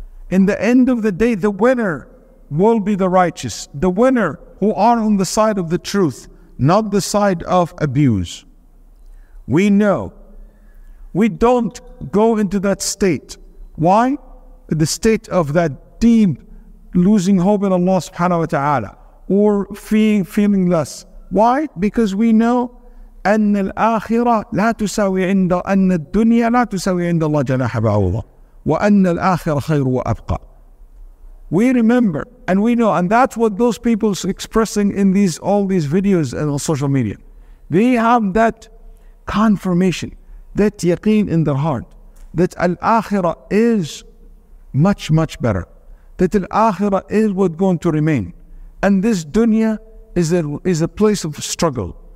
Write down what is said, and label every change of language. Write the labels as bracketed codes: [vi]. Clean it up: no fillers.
[en] In the end of the day, the winner will be the righteous, the winner who are on the side of the truth, not the side of abuse. We know we don't go into that state. Why? The state of that deep losing hope in Allah subhanahu wa ta'ala or feeling less. Why? Because we know [ar] أَنَّ الْآخِرَةَ لَا تُسَوِي عِنْدَ أَنَّ الدُّنْيَا لَا تُسَوِي عِنْدَ اللَّهِ جَنَاحَ بَعُوضَةً وَأَنَّ الْآخِرَةَ خَيْرُ وَأَبْقَى. [en] We remember and we know, and that's what those people are expressing in all these videos and on social media. They have that confirmation, that yaqeen in their heart, that al-akhirah is much, much better. That al-akhirah is what's going to remain. And this dunya is a place of struggle.